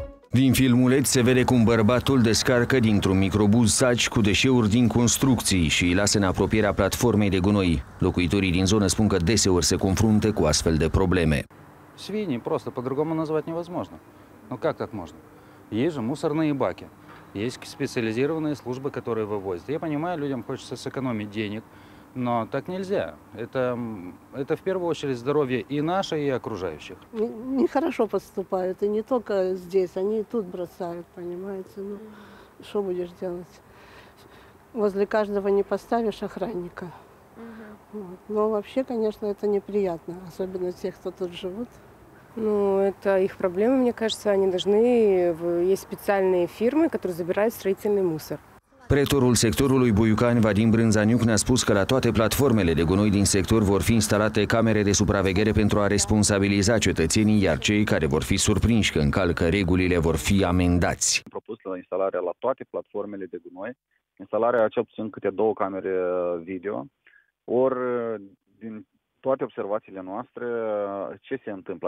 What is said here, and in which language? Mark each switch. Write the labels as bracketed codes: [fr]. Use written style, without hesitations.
[ro] Din filmuleț se vede cum bărbatul descarcă dintr-un microbuz saci cu deșeuri din construcții și îi lasă în apropierea platformei de gunoi. Locuitorii din zonă spun că deseori se confruntă cu astfel de probleme. [ru] Свиньи просто по-другому назвать невозможно. Ну как так можно? Есть же мусорные баки. Есть специализированные службы, которые вывозят. Я понимаю, людям хочется сэкономить денег, Но так нельзя. Это в первую очередь здоровье и наше, и окружающих. Нехорошо поступают. И не только здесь, они и тут бросают, понимаете. Ну, что будешь делать? Возле каждого не поставишь охранника. Угу. Вот. Но вообще, конечно, это неприятно. Особенно тех, кто тут живут. Ну, это их проблемы, мне кажется. Они должны... Есть специальные фирмы, которые забирают строительный мусор. [ro] Pretorul sectorului Buiucani, Vadim Brânzaniuc, ne-a spus că la toate platformele de gunoi din sector vor fi instalate camere de supraveghere pentru a responsabiliza cetățenii, iar cei care vor fi surprinși că încalcă regulile vor fi amendați. Am propus la instalarea la toate platformele de gunoi, instalarea cel puțin câte două camere video, ori din toate observațiile noastre, ce se întâmplă?